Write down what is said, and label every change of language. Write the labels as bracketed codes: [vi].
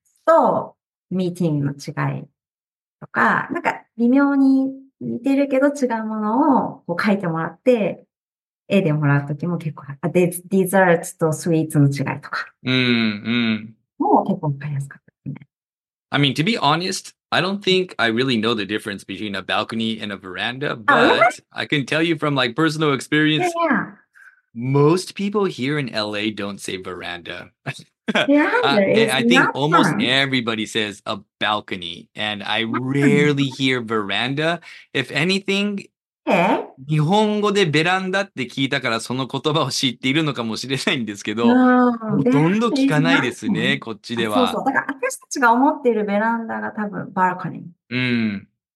[ja] とミーティングの違いとか、なんか微妙に似てるけど違うものをこう書いてもらって、絵でもらうときも結構あ、デザーツとスイーツの違いとか。うん、うん。もう結構分かりやすかったですね。 [en] I mean, to be honest, I don't think I really know the difference between a balcony and a veranda, but I can tell you from like personal experience, most people here in LA don't say veranda. Yeah, I think nothing. Almost everybody says a balcony, and I rarely hear veranda. If anything, [ja] 日本語でベランダって聞いたからその言葉を知っているのかもしれないんですけど、ほとんど聞かないですね、こっちでは。そうそう、だから私たちが思っているベランダが多分バルコニー。うん。